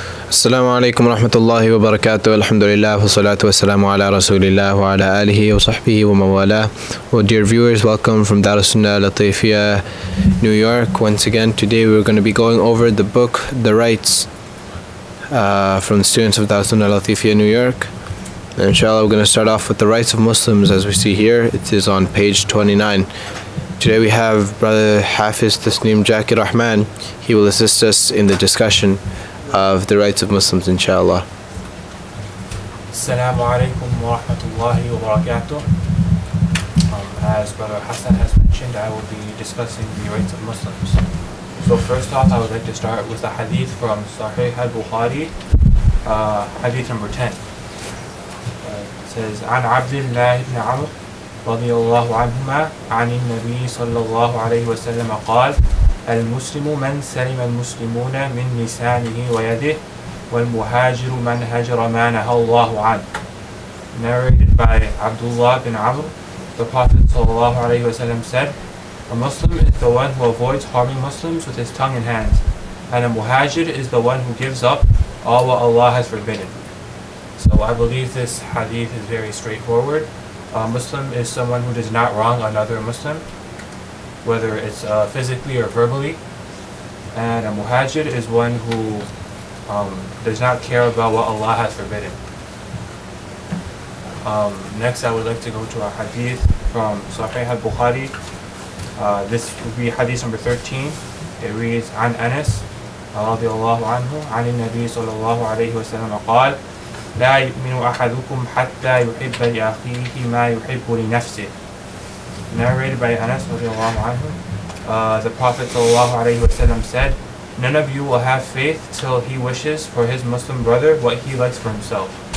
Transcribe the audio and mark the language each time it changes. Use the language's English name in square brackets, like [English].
[Arabic] السلام عليكم ورحمة الله وبركاته الحمد لله والصلاة والسلام على رسول الله وعلى آله وصحبه ومن والاه. [English] Well, dear viewers, welcome from Dar al-Sunnah Latifia, New York. Once again, today we're going to be going over the book, The Rights, from the students of Dar al-Sunnah Latifia, New York. Inshallah, we're going to start off with the rights of Muslims as we see here. It is on page 29. Today we have Brother Hafiz Tasneem Jaki Rahman. He will assist us in the discussion of the rights of Muslims, inshallah. [Arabic] Assalamu alaikum wa rahmatullahi wa barakatuh. [English] As Brother Hassan has mentioned, I will be discussing the rights of Muslims. So first off, I would like to start with the hadith from Sahih al-Bukhari, hadith number 10. It says, [Arabic] عن عبد الله بن عمر رضي الله عنهما عن النبي صلى الله عليه وسلم قال المسلم من سلم المسلمون من لسانه ويده والمهاجر من هجر ما نهى الله عنه. [English] Narrated by Abdullah bin Amr, the Prophet sallallahu alayhi wa sallam said, a Muslim is the one who avoids harming Muslims with his tongue and hands, and a muhajir is the one who gives up all what Allah has forbidden. So I believe this hadith is very straightforward. A Muslim is someone who does not wrong another Muslim, whether it's physically or verbally. And a muhajir is one who does not care about what Allah has forbidden. Next, I would like to go to a hadith from Sahih al-Bukhari. This would be hadith number 13. It reads, [Arabic] عن أنس رضي الله عنه عن النبي صلى الله عليه وسلم قال لا يؤمن أحدكم حتى يحب لأخيه ما يحب لنفسه. [English] Narrated by Anas radiallahu anhu, the Prophet sallallahu alayhi wasallam said, none of you will have faith till he wishes for his Muslim brother what he likes for himself.